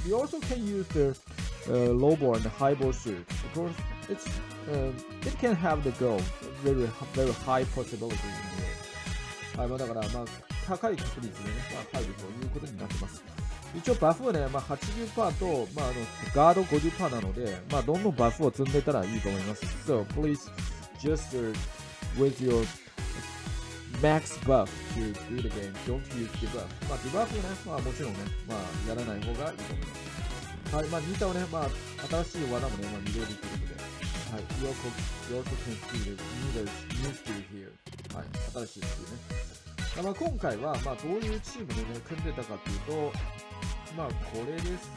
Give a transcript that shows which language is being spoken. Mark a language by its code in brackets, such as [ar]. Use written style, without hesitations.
[en] You also can use the low ball and high ball shoot because it can have the goal very, very high possibility in the end。 [ja] はい、まあ、だから、まあ、高い確率でね、まあ、入るということになってます。一応バフはね、まあ、80% と、まあ、ガード 50% なので、まあ、どんどんバフを積んでたらいいと思います。 [en] So, please gesture with your max buff to do the game. Don't use debuff. [ja] まあ、debuff はね、まあ、もちろんね、まあ、やらない方がいいと思います。はい、まあ、ニータはね、まあ、新しい技もね、まあ、見れるということで。 [en] はい、You also can see the new skill here. [ja] はい、新しいスキルね。まあ、今回は、まあ、どういうチームでね、組んでたかというと、まあこれですね。